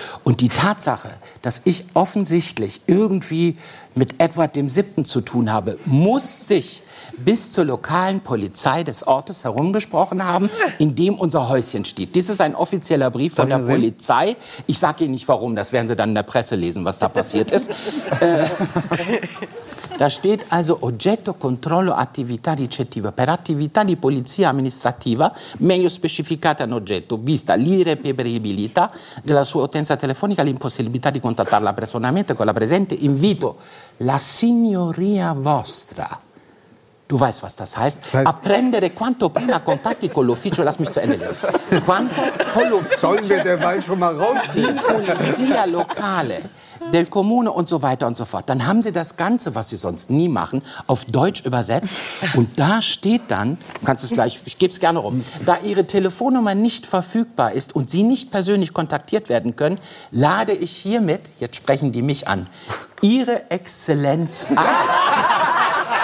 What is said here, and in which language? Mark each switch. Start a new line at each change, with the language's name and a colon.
German: Und die Tatsache, dass ich offensichtlich irgendwie mit Edward dem Siebten zu tun habe, muss sich bis zur lokalen Polizei des Ortes herumgesprochen haben, in dem unser Häuschen steht. Dies ist ein offizieller Brief von der Polizei. Ich sage Ihnen nicht, warum. Das werden Sie dann in der Presse lesen, was da passiert ist.
Italian: Da steht also Oggetto controllo attività ricettiva per attività di polizia amministrativa meglio specificata in oggetto vista l'irreperibilità della sua utenza telefonica l'impossibilità di contattarla personalmente con la presente invito la signoria vostra.
German: Du weißt, was das heißt. Das heißt,
Italian: apprendere quanto prima contatti con l'ufficio.
German: Lass mich zu Ende lesen. Quanto
Italian: con l'ufficio.
German: Sollen wir derweil schon mal rausgehen? Die
Italian: polizia locale del comune
German: und so weiter und so fort. Dann haben sie das Ganze, was sie sonst nie machen, auf Deutsch übersetzt. Und da steht dann, kannst es gleich, ich gebe es gerne rum, da ihre Telefonnummer nicht verfügbar ist und sie nicht persönlich kontaktiert werden können, lade ich hiermit, jetzt sprechen die mich an, ihre Exzellenz ab.